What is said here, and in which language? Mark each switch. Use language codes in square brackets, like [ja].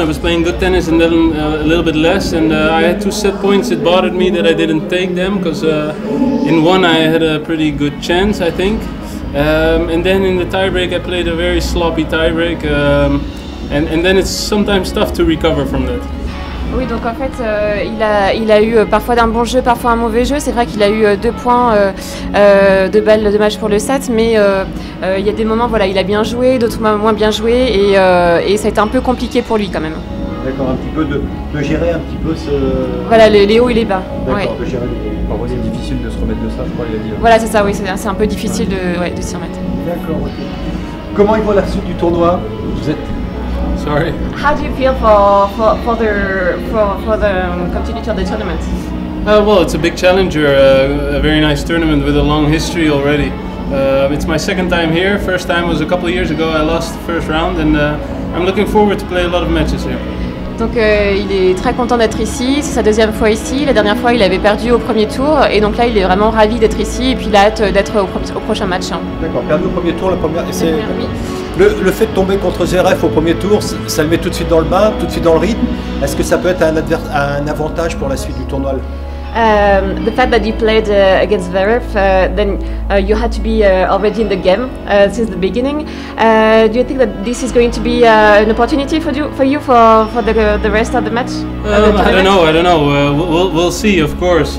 [en] I was playing good tennis and then a little bit less, and I had 2 set points. It bothered me that I didn't take them, because in one I had a pretty good chance, I think. And then in the tiebreak, I played a very sloppy tiebreak, and then it's sometimes tough to recover from that. [fr] Oui, donc en fait, il a eu parfois d'un bon jeu, parfois un mauvais jeu. C'est vrai qu'il a eu 2 points de balles de match pour le set, mais il y a des moments, voilà, il a bien joué, d'autres moins bien joué, et ça a été un peu compliqué pour lui quand même. D'accord, un petit peu de gérer un petit peu ce... Voilà, les hauts et les bas. D'accord, ouais. De gérer les... Parfois, c'est difficile de se remettre de ça, je crois, il a dit. Voilà, c'est ça, oui, c'est un peu difficile de s'y remettre. D'accord, ok. Comment il voit la suite du tournoi? Vous êtes... [en] Sorry. How do you feel for the continuity of the tournament? Well, it's a big challenger, a very nice tournament with a long history already. It's my second time here. First time was a couple of years ago. I lost the first round, and I'm looking forward to play a lot of matches here. [fr] Donc il est très content d'être ici. C'est sa deuxième fois ici. La dernière fois, il avait perdu au premier tour, et donc là, il est vraiment ravi d'être ici, et puis il a hâte d'être au prochain match. D'accord. Perdu au premier tour, la première. Le fait de tomber contre Zverev au premier tour, ça le met tout de suite dans le bain, tout de suite dans le rythme. Est-ce que ça peut être un avantage pour la suite du tournoi? [en] The fact that you played against Zverev, then you had to be already in the game since the beginning. Do you think that this is going to be an opportunity for you for the rest of the match? I don't know. We'll see, of course.